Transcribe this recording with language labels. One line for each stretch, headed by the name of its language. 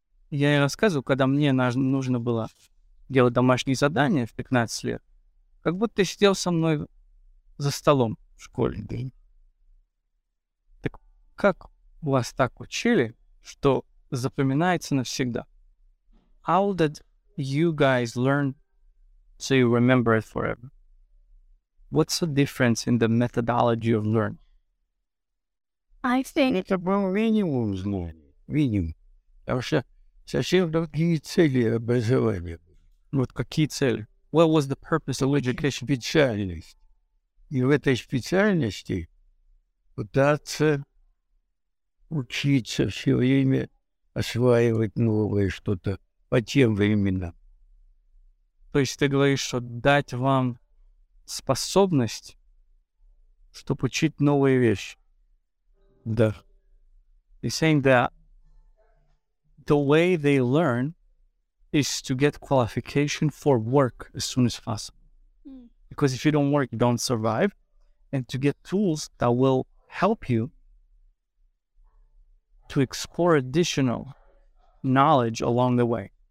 Russian: Я и рассказываю, когда мне нужно было делать домашние задания в 15 лет, как будто ты сидел со мной за столом в школе. Да. Так как вас так учили, что запоминается навсегда?
English: How did you guys learn so you remember it forever? What's the difference in the methodology of learning? I think...
Russian: Это был минимум знаний. Минимум. Потому что совсем другие цели образования. Вот какие цели?
English: What was the purpose of education?
Russian: Специальность. И в этой специальности пытаться учиться все время, осваивать новое что-то по тем временам. То есть ты говоришь, что дать вам способность, чтобы учить новые вещи? Да.
English: You're saying that the way they learn is to get qualification for work as soon as possible. Because if you don't work, you don't survive. And to get tools that will help you to explore additional knowledge along the way.